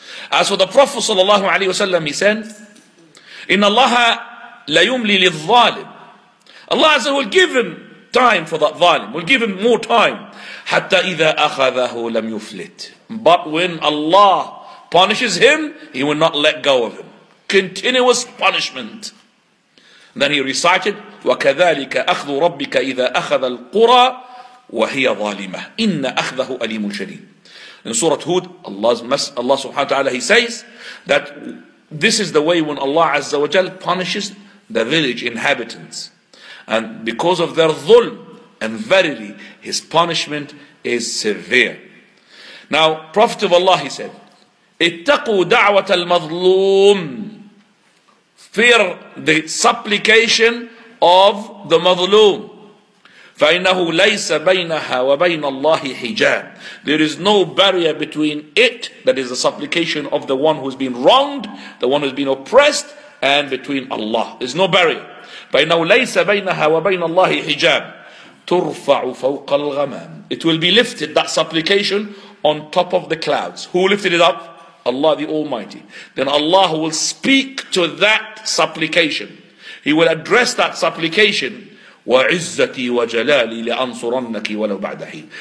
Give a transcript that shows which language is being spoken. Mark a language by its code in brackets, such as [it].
[en] As for the Prophet sallallahu alayhi wa sallam, he said, [ar] إِنَّ اللَّهَ لَيُمْلِي لِلظَّالِمِ. [en] Allah said, will give him time for that zalim. Will give him more time. [ar] حَتَّى إِذَا أَخَذَهُ لَمْ يُفْلِتْ. [en] But when Allah punishes him, He will not let go of him. Continuous punishment. Then he recited, [ar] وَكَذَلِكَ أَخْذُ رَبِّكَ إِذَا أَخَذَ الْقُرَىٰ وَهِيَ ظَالِمَةٌ إِنَّ أَخْذَهُ أَلِيمٌ شَدِيدٌ. [en] In Surah Hud, Allah subhanahu wa ta'ala, He says that this is the way when Allah Azza wa Jal punishes the village inhabitants. And because of their zulm, and verily, His punishment is severe. Now, Prophet of Allah, He said, [ar] اتقوا دعوة المظلوم. [en] Fear the supplication of the مظلوم. [ar] فإنه ليس بينها وبين الله حجاب. [en] There is no barrier between it, that is the supplication of the one who has been wronged, the one who has been oppressed, and between Allah. There is no barrier. [ar] فإنه ليس بينها وبين الله حجاب. ترفع فوق الغمام. [en] It will be lifted, that supplication, on top of the clouds. Who lifted it up? Allah the Almighty. Then Allah will speak to that supplication. He will address that supplication. [ar] وَعِزَّتِي وَجَلَالِي لِأَنصُرَنَّكِ وَلَوْ بَعْدَ حِينٍ.